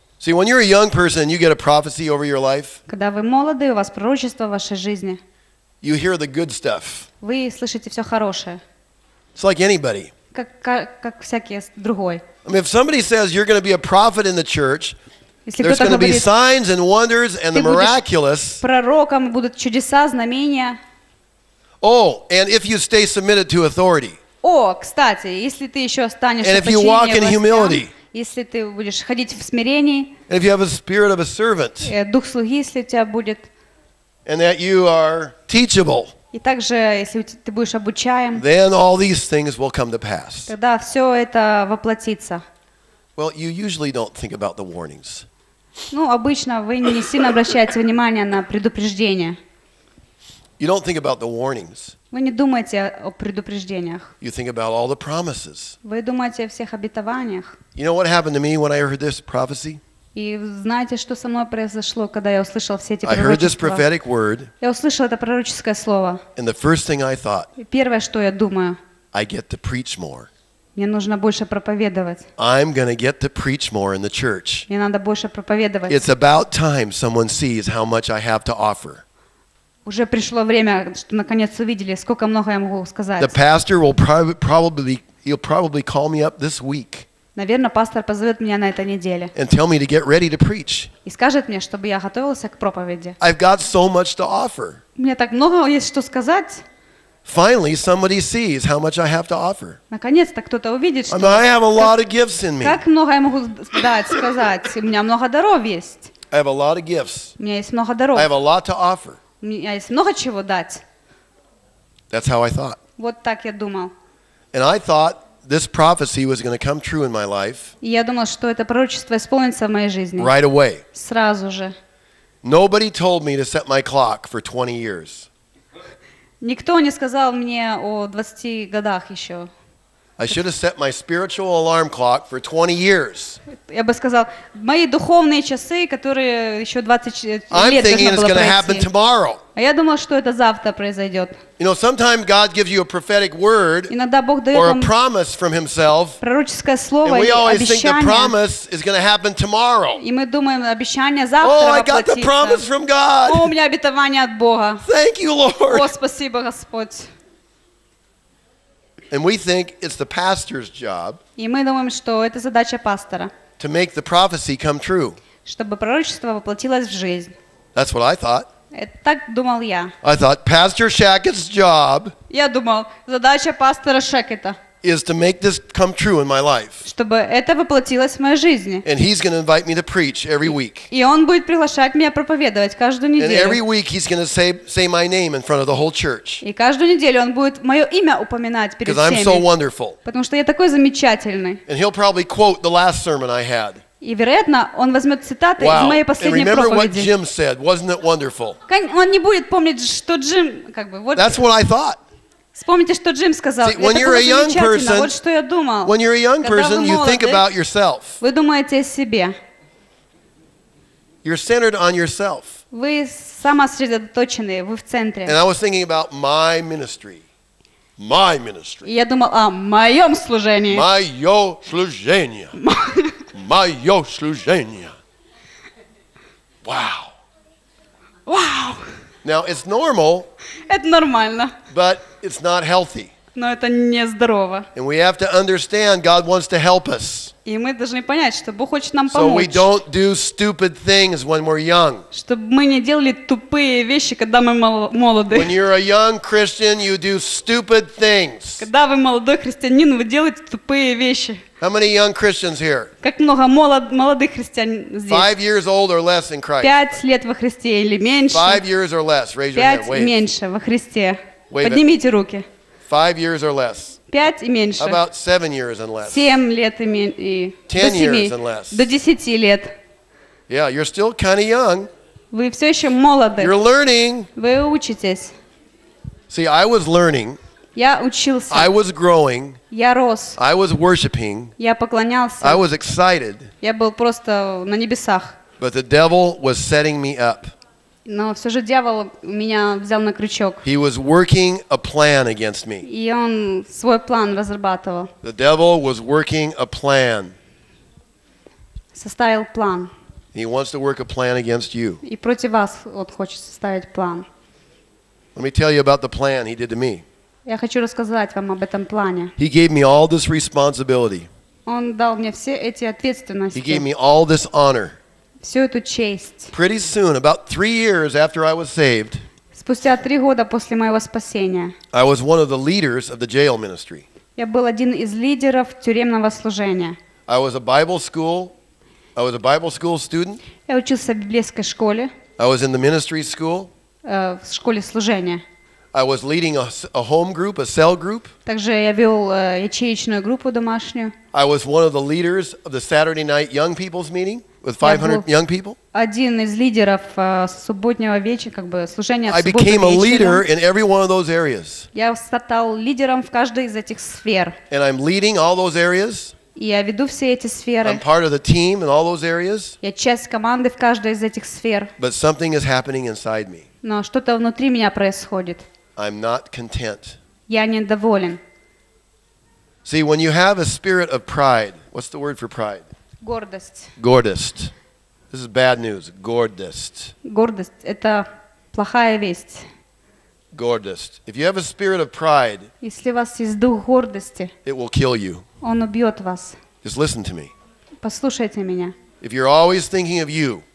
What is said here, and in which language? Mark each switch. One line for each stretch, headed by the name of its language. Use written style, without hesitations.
English: See, when you're a young person, you get a prophecy over your life.
Russian: Когда вы молоды, у вас пророчество в вашей жизни.
English: You hear the good stuff.
Russian: Вы слышите все хорошее.
English: It's like anybody.
Russian: Как всякий другой.
English: I mean, if somebody says you're going to be a prophet in the church. There's going to be signs and wonders and the miraculous.
Russian: Пророком будут чудеса, знамения.
English: Oh, and if you stay submitted to authority.
Russian: О, кстати, если ты еще останешься в подчинении.
English: And if you walk in humility.
Russian: Если ты будешь ходить в смирении.
English: And if you have a spirit of a servant.
Russian: Дух слуги, если у тебя будет.
English: And that you are teachable.
Russian: И также, если ты будешь обучаем.
English: Then all these things will come to pass.
Russian: Тогда все это воплотится.
English: Well, you usually don't think about the warnings.
Russian: Ну, обычно вы не сильно обращаете внимание на предупреждения.
English: You don't think about the warnings.
Russian: Вы не думаете о предупреждениях.
English: You think about all the promises.
Russian: Вы думаете о всех обетованиях.
English: You know what happened to me when I heard this prophecy?
Russian: И знаете, что со мной произошло, когда я услышал все эти пророчества?
English: I heard this prophetic word.
Russian: Я услышал это пророческое слово.
English: And the first thing I thought.
Russian: И первое, что я думаю.
English: I get to preach more.
Russian: Мне нужно больше проповедовать.
English: I'm going to get to preach more in the church.
Russian: Мне надо больше проповедовать.
English: It's about time someone sees how much I have to offer.
Russian: Уже пришло время, что наконец увидели, сколько много я могу сказать.
English: The pastor will probably call me up this week.
Russian: Наверное, пастор позовет меня на этой неделе.
English: And tell me to get ready to preach.
Russian: И скажет мне, чтобы я готовился к проповеди.
English: I've got so much to offer.
Russian: Мне так много есть что сказать.
English: Finally, somebody sees how much I have to offer.
Russian: Наконец-то кто-то увидит, что.
English: I mean, I have a lot of gifts in me.
Russian: Как много я могу дать, сказать? У меня много даров есть.
English: I have a lot of gifts.
Russian: У меня есть много даров.
English: I have a lot to offer.
Russian: У меня есть много чего дать.
English: That's how I thought.
Russian: Вот так я думал.
English: And I thought this prophecy was going to come true in my life.
Russian: Я думал, что это пророчество исполнится в моей жизни.
English: Right away.
Russian: Сразу же.
English: Nobody told me to set my clock for 20 years.
Russian: Никто не сказал мне о 20 годах еще.
English: I should have set my spiritual alarm clock for 20 years.
Russian: Я бы сказал, мои духовные часы, которые еще 20 лет должны были пройти.
English: I'm thinking it's going to happen tomorrow.
Russian: А я думал, что это завтра произойдет.
English: You know, sometimes God gives you a prophetic word or a promise from Himself.
Russian: Пророческое слово,
English: and we always think the promise is going to happen tomorrow.
Russian: И мы думаем, обещание завтра воплотится.
English: Oh, I got the promise from God.
Russian: О, у меня обетование от Бога.
English: Thank you, Lord.
Russian: О, спасибо, Господь.
English: And we think it's the pastor's job.
Russian: И мы думаем, что это задача пастора.
English: To make the prophecy come true.
Russian: Чтобы пророчество воплотилось в жизнь.
English: That's what I thought.
Russian: Так думал я.
English: I thought Pastor Shackett's job.
Russian: Я думал, задача пастора Шекета.
English: Is to make this come true in my life.
Russian: Чтобы это воплотилось в моей жизни.
English: And he's going to invite me to preach every week.
Russian: И он будет приглашать меня проповедовать каждую неделю.
English: And every week he's going to say my name in front of the whole church.
Russian: И каждую неделю он будет мое имя упоминать перед всеми.
English: Because I'm so wonderful.
Russian: Потому что я такой замечательный.
English: And he'll probably quote the last sermon I had.
Russian: И вероятно, он возьмет цитаты из моей последней проповеди.
English: Wow. And remember what Jim said? Wasn't it wonderful?
Russian: Он не будет помнить, что Джим как бы вот.
English: That's what I thought.
Russian: Вспомните, что Джим сказал.
English: See, when you're a young person,
Russian: вот что я думал.
English: When you're a young person, you think about yourself.
Russian: Вы думаете о себе.
English: You're centered on yourself.
Russian: Вы самосредоточены, вы в центре.
English: And I was thinking about my ministry. My ministry.
Russian: Я думал о моем служении. Мое служение. Мое служение.
English: Wow. Wow. Now it's normal.
Russian: Это нормально.
English: But it's not healthy.
Russian: Но это не здорово.
English: And we have to understand God wants to help us.
Russian: И мы должны понять, что Бог хочет нам
English: so
Russian: помочь.
English: So we don't do stupid things when we're young.
Russian: Чтобы мы не делали тупые вещи, когда мы молоды.
English: When you're a young Christian, you do stupid things.
Russian: Когда вы молодой христианин, вы делаете тупые вещи.
English: How many young Christians here?
Russian: Как много молодых христиан здесь?
English: 5 years old or less in Christ.
Russian: 5 лет во Христе или меньше?
English: 5 years or less. Raise your hand. Wave.
Russian: 5 меньше во Христе. Поднимите руки.
English: 5 years or less.
Russian: 5 и меньше.
English: About 7 years and less.
Russian: 7 лет и меньше.
English: 10 years and less.
Russian: До 10 лет.
English: Yeah, you're still kind of young.
Russian: Вы все еще молоды.
English: You're learning.
Russian: Вы учитесь.
English: See, I was learning.
Russian: Я учился.
English: I was growing.
Russian: Я рос.
English: I was worshiping.
Russian: Я поклонялся.
English: I was excited.
Russian: Я был просто на небесах.
English: But the devil was setting me up.
Russian: Но все же дьявол меня взял на крючок.
English: He was working a plan against me.
Russian: И он свой план разрабатывал.
English: The devil was working a plan.
Russian: Составил план.
English: He wants to work a plan against you.
Russian: И против вас вот хочет составить план.
English: Let me tell you about the plan he did to me.
Russian: Я хочу рассказать вам об этом плане.
English: He gave me all this responsibility.
Russian: Он дал мне все эти ответственности.
English: He gave me all this honor.
Russian: Всю эту честь.
English: Pretty soon, about 3 years after I was saved,
Russian: спустя 3 года после моего спасения,
English: I was one of the leaders of the jail ministry.
Russian: Я был один из лидеров тюремного служения.
English: I was a Bible school student.
Russian: Я учился в библейской школе.
English: I was in the ministry school.
Russian: В школе служения.
English: I was leading a home group, a cell group.
Russian: Также я вел ячеечную группу домашнюю.
English: I was one of the leaders of the Saturday night young people's meeting. With 500 young people.
Russian: Один из лидеров субботнего вечера, как бы служения.
English: I became a leader in every one of those areas.
Russian: Я стал лидером в каждой из этих сфер.
English: And I'm leading all those areas.
Russian: Я веду все эти сферы.
English: I'm part of the team in all those areas.
Russian: Я часть команды в каждой из этих сфер.
English: But something is happening inside me.
Russian: Но что-то внутри меня происходит.
English: I'm not content.
Russian: Я недоволен.
English: See, when you have a spirit of pride, what's the word for pride?
Russian: Гордость. Гордость.
English: This is bad news. Гордость.
Russian: Гордость — это плохая весть. Гордость.
English: If you have a spirit of pride,
Russian: если у вас есть дух гордости,
English: it will kill you.
Russian: Он убьет вас.
English: Just listen to me.
Russian: Послушайте меня.
English: If you're always thinking of you,